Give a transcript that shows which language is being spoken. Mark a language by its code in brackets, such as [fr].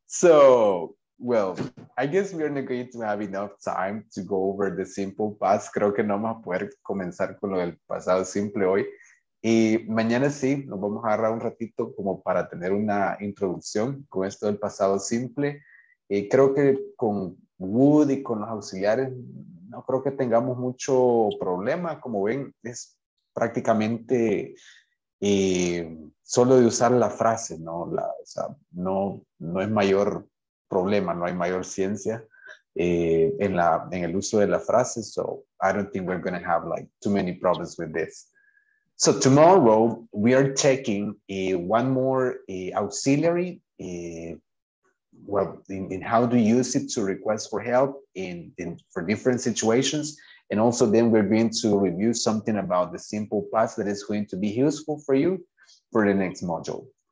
[en] So, well, I guess we are not going to have enough time to go over the simple past. [es] Creo que no vamos a poder comenzar con lo del pasado simple hoy. Y mañana sí, nos vamos a agarrar un ratito como para tener una introducción con esto del pasado simple. Y creo que con Wood y con los auxiliares no creo que tengamos mucho problema. Como ven, es prácticamente solo de usar la frase, ¿no? No es mayor problema, no hay mayor ciencia en el uso de la frase, [en] so I don't think we're going to have like too many problems with this. So tomorrow we are taking one more auxiliary, in how to use it to request for help in for different situations, and also then we're going to review something about the simple past that is going to be useful for you for the next module.